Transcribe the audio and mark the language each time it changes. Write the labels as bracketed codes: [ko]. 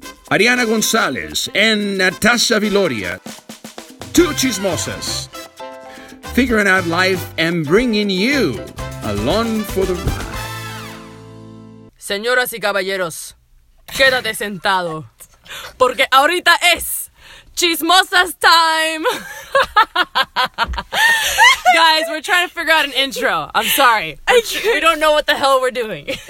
[en] Ariana González and Natasha Viloria, two chismosas, figuring out life and bringing you along for the ride. [es] Señoras y caballeros, quédate sentado, porque ahorita es chismosas time. [en] Guys, we're trying to figure out an intro. I'm sorry. We don't know what the hell we're doing.